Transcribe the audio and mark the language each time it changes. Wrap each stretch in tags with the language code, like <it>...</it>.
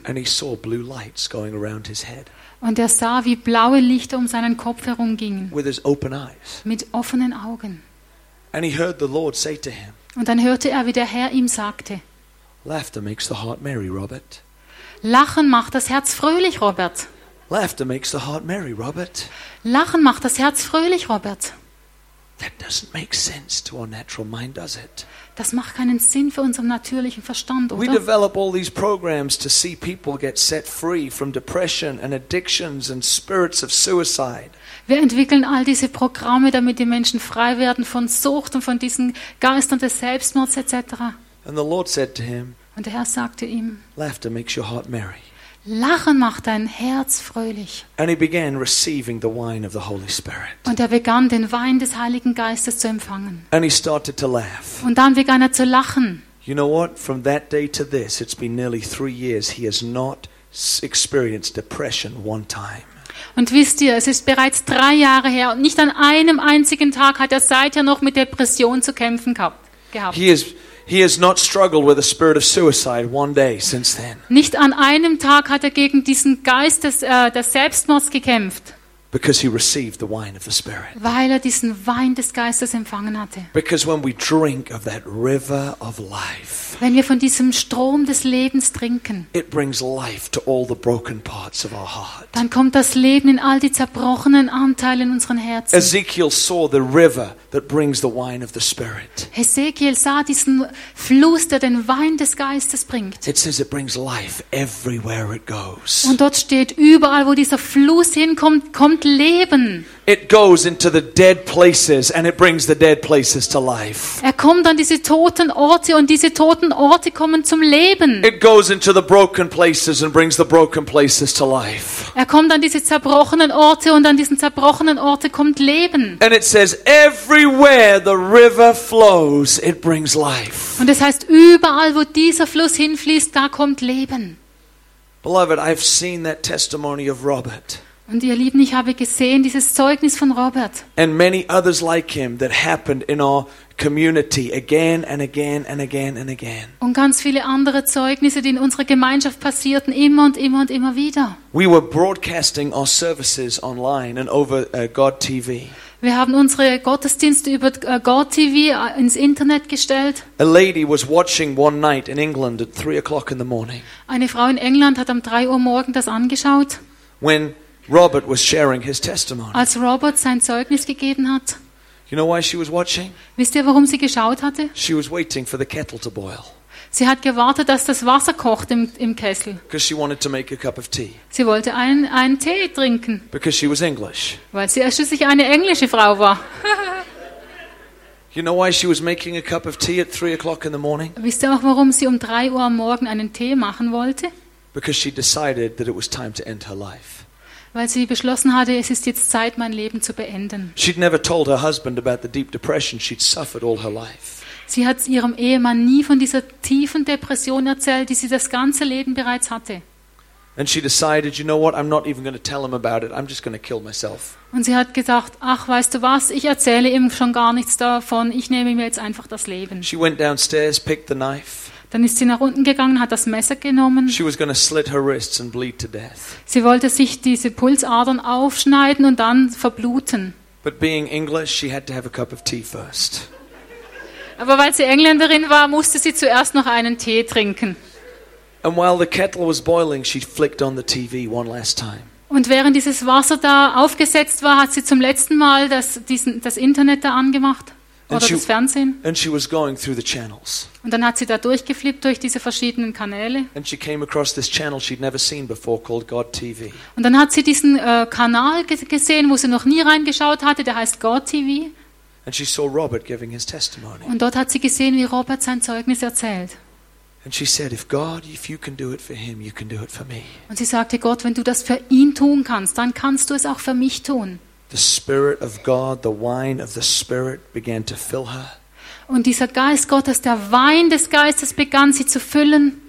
<en>And he saw blue lights going around his head.</en> <de>Und er sah, wie blaue Lichter um seinen Kopf herum gingen.</de> <en>With his open eyes.</en> <de>Mit offenen Augen.</de> <en>And he heard the Lord say to him.</en> <de>Und dann hörte er, wie der Herr ihm sagte.</de> <en>Laughter makes the heart merry, Robert.</en> <de>Lachen macht das Herz fröhlich, Robert.</de> <en>Laughter makes the heart merry, Robert.</en> <de>Lachen macht das Herz fröhlich, Robert.</de> <en>That doesn't make sense to our natural mind, does it?</en> <de>Das macht keinen Sinn für unseren natürlichen Verstand, oder?</de> <en>We develop all these programs to see people get set free from depression and addictions and spirits of suicide.</en> <de>Wir entwickeln all diese Programme, damit die Menschen frei werden von Sucht und von diesen Geistern des Selbstmords etc.</de> <en>And the Lord said to him.</en> <de>Und der Herr sagte ihm.</de> <en>Laughter makes your heart merry.</en> <de>Lachen macht dein Herz fröhlich.</de> <en>And he began receiving the wine of the Holy Spirit.</en> <de>Und er begann, den Wein des Heiligen Geistes zu empfangen.</de> <en>And he started to laugh.</en> <de>Und dann begann er zu lachen.</de> <en>You know what? From that day to this, it's been nearly 3 years. He has not experienced depression one time.</en> <de>Und wisst ihr, es ist bereits 3 Jahre her und nicht an einem einzigen Tag hat er seither noch mit Depression zu kämpfen gehabt.</de> <en>He has not struggled with a spirit of suicide one day since then.</en> <de>Nicht an einem Tag hat er gegen diesen Geist des Selbstmords gekämpft.</de> <en>Because he received the wine of the Spirit.</en> <de>Weil er diesen Wein des Geistes empfangen hatte.</de> <en>Because when we drink of that river of life.</en> <de>Wenn wir von diesem Strom des Lebens trinken.</de> <en>It brings life to all the broken parts of our heart.</en> <de>Dann kommt das Leben in all die zerbrochenen Anteile in unseren Herzen.</de> <en>Ezekiel saw the river that brings the wine of the Spirit.</en> <de>Ezekiel sah diesen Fluss, der den Wein des Geistes bringt.</de> <en>It says it brings life everywhere it goes.</en> <de>Und dort steht, überall wo dieser Fluss hinkommt, kommt Leben.</de> <en>It goes into the dead places and it brings the dead places to life.</en> <de>Er kommt an diese toten Orte und diese toten Orte kommen zum Leben.</de> <en>It goes into the broken places and brings the broken places to life.</en> <de>Er kommt an diese zerbrochenen Orte und an diesen zerbrochenen Orte kommt Leben.</de> <en>And it says everywhere the river flows, it brings life.</en> <de>Und es heißt überall, wo dieser Fluss hinfließt, da kommt Leben.</de> <en>Beloved, I've seen that testimony of Robert.</en> <de>Und ihr Lieben, ich habe gesehen dieses Zeugnis von Robert.</de> <en>And many others like him that happened in our community again and again and again and again.</en> <de>Und ganz viele andere Zeugnisse, die in unserer Gemeinschaft passierten, immer und immer und immer wieder.</de> <en>We were broadcasting our services online and over God TV.</en> <de>Wir haben unsere Gottesdienste über God TV ins Internet gestellt.</de> <en>A lady was watching one night in England at 3 o'clock in the morning.</en> <de>Eine Frau in England hat um 3 Uhr morgens das angeschaut.</de> <en>When Robert was sharing his testimony.</en> <de>Als Robert sein Zeugnis gegeben hat.</de> <en>You know why she was watching?</en> <de>Wisst ihr, warum sie geschaut hatte?</de> <en>She was waiting for the kettle to boil.</en> <de>Sie hat gewartet, dass das Wasser kocht im Kessel.</de> <en>Because she wanted to make a cup of tea.</en> <de>Sie wollte einen Tee trinken.</de> <en>Because she was English.</en> <de>Weil sie schließlich eine englische Frau war.</de> <en>You know why she was making a cup of tea at 3 o'clock in the morning?</en> <de>Wisst ihr auch, warum sie um 3 Uhr am Morgen einen Tee machen wollte?</de> <en>Because she decided that it was time to end her life.</en> <de>Weil sie beschlossen hatte, es ist jetzt Zeit, mein Leben zu beenden.</de> <en>She'd never told her husband about the deep depression she'd suffered all her life.</en> <de>Sie hat ihrem Ehemann nie von dieser tiefen Depression erzählt, die sie das ganze Leben bereits hatte.</de> <en>And she decided, you know what, I'm not even going to tell him about it. I'm just going to kill myself.</en> <de>Und sie hat gedacht, ach, weißt du was, ich erzähle ihm schon gar nichts davon. Ich nehme mir jetzt einfach das Leben.</de> <en>She went downstairs, picked the knife.</en> <de>Dann ist sie nach unten gegangen, hat das Messer genommen.</de> <en>She was going to slit her wrists and bleed to death.</en> <de>Sie wollte sich diese Pulsadern aufschneiden und dann verbluten.</de> <en>But being English, she had to have a cup of tea first.</en> <de>Aber weil sie Engländerin war, musste sie zuerst noch einen Tee trinken.</de> <en>And while the kettle was boiling, she flicked on the TV one last time.</en> <de>Und während dieses Wasser da aufgesetzt war, hat sie zum letzten Mal das Internet da angemacht. Oder das Fernsehen.</de> <en>And she was going through the channels.</en> <de>Und dann hat sie da durchgeflippt durch diese verschiedenen Kanäle.</de> <en>And she came across this channel she'd never seen before called God TV.</en> <de>Und dann hat sie diesen Kanal gesehen, wo sie noch nie reingeschaut hatte, der heißt God TV.</de> <en>And she saw Robert giving his testimony.</en> <de>Und dort hat sie gesehen, wie Robert sein Zeugnis erzählt.</de> <en>And she said, if God, if you can do it for him, you can do it for me.</en> <de>Und sie sagte, Gott, wenn du das für ihn tun kannst, dann kannst du es auch für mich tun.</de> <en>The Spirit of God, the wine of the Spirit began to fill her.</en> <de>Und dieser Geist Gottes, der Wein des Geistes begann sie zu füllen.</de>